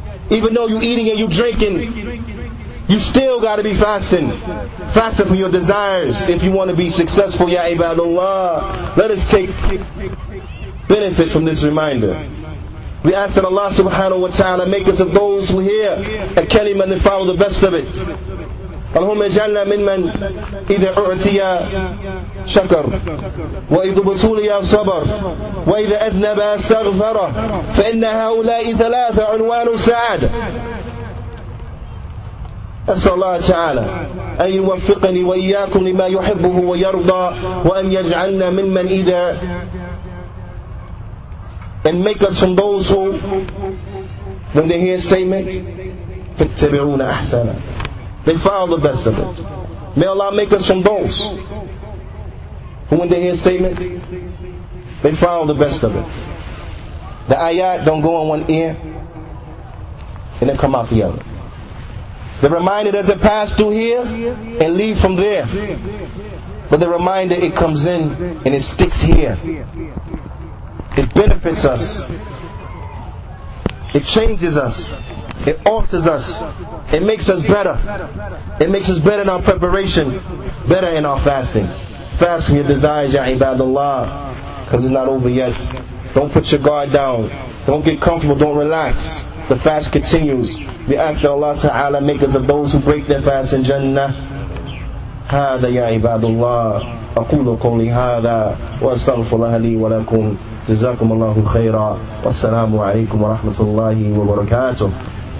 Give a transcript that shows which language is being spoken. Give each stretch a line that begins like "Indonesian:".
English: Even though you're eating and you're drinking, you still got to be fasting. Fasting for your desires if you want to be successful,
Arabic: يَا عِبَادُ اللَّهِ.
English: Let us take benefit from this reminder. We ask that Allah subhanahu wa ta'ala make us of those who hear a kalima and then follow the best of it.
Arabic: اللهم اجعلنا ممن إذا أعطي شكر وإذا ابتلي صبر وإذا أذنب استغفر فإن هؤلاء ثلاثة عنوان سعادة. أسأل الله تعالى أن يوفقني وإياكم لما يحبه ويرضى وأن يجعلنا ممن إذا
English: and make us from those who when they hear statement
Arabic: فاتبعون أحسنا.
English: They follow the best of it. May Allah make us from those who when they hear statement, they follow the best of it. The ayat don't go in one ear and then come out the other. The reminder doesn't pass through here and leave from there. But the reminder, it comes in and it sticks here. It benefits us. It changes us. It alters us. It makes us better. It makes us better in our preparation. Better in our fasting. Fast from your desires,
Arabic: ya ibadullah.
English: Because it's not over yet. Don't put your guard down. Don't get comfortable. Don't relax. The fast continues. We ask that Allah ta'ala make us of those who break their fast in Jannah.
Arabic: هذا يا عباد الله أقول قولي هذا وأستغفر الله لي ولكم جزاكم الله خيرا والسلام عليكم ورحمة الله وبركاته.